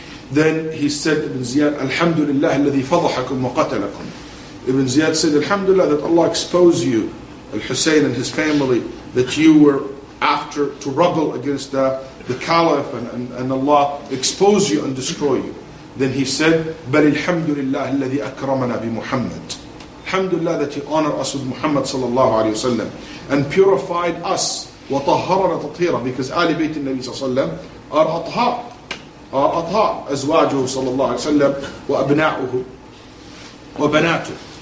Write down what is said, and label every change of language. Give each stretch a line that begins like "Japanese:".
English: Then he said, Ibn Ziyad, alhamdulillah,
Arabic: alladhi fadahakum wa qatalakum.
English: Ibn Ziyad said, alhamdulillah, that Allah exposed you, al-Husayn and his family, that you were after to rebel against the caliph and Allah expose you and destroy you. Then he said,
Arabic: بَلِ الْحَمْدُ لِلَّهِ الَّذِي أَكْرَمَنَا بِمُحَمَّدٍ.
English: Alhamdulillah that he honored us with Muhammad sallallahu alayhi wa sallam and purified us
Arabic: وَطَهَّرَنَا تَطْهِيرًا,
English: because Ali Bayt al-Nabi sallallahu alayhi wa sallam are athar
Arabic: أزواجه
English: sallallahu alayhi wa sallam
Arabic: وأبناؤه وبناته.